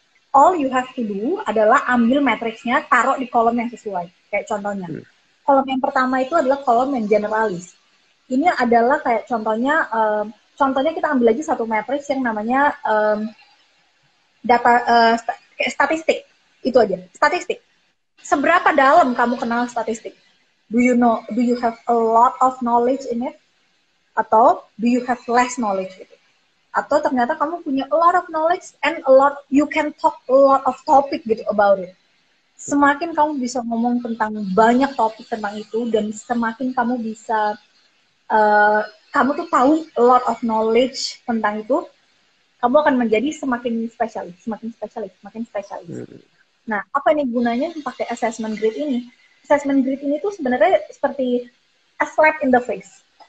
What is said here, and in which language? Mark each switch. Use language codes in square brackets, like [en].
[en] All you have to do [id] adalah ambil matrixnya, taruh di kolom yang sesuai, kayak contohnya. Kolom yang pertama itu adalah kolom yang generalis. Ini adalah kayak contohnya, contohnya kita ambil aja satu matrix yang namanya data statistik. Itu aja, statistik. Seberapa dalam kamu kenal statistik? [en] Do you know, do you have a lot of knowledge in it? Atau do you have less knowledge? Gitu? [id] Atau ternyata kamu punya [en] a lot of knowledge and a lot, you can talk a lot of topic gitu about it. [id] Semakin kamu bisa ngomong tentang banyak topik tentang itu, dan semakin kamu bisa, kamu tuh tahu [en] a lot of knowledge [id] tentang itu, kamu akan menjadi semakin spesialis, semakin spesialis, semakin spesialis. Nah, apa nih gunanya pakai assessment grid ini? Assessment grid ini tuh sebenarnya seperti [en] a slap in the face.